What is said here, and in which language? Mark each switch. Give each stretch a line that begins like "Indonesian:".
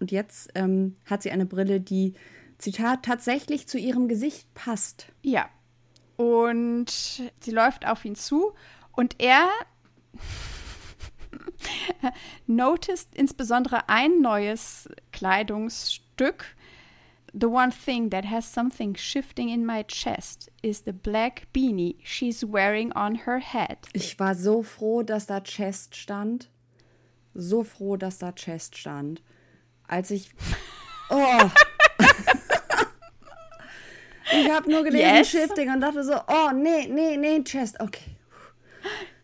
German: Und jetzt hat sie eine Brille, die, Zitat, tatsächlich zu ihrem Gesicht passt. Ja, und sie läuft auf ihn zu und er noticed insbesondere ein neues Kleidungsstück.
English: The one thing that has something shifting in my chest is the black beanie she's wearing on her head.
German: Ich war so froh, dass da Chest stand. So froh, dass da Chest stand. Als ich... Oh! Ich habe nur gelesen,
English: yes,
German: Shifting, und dachte so, oh, nee, Chest. Okay. Okay.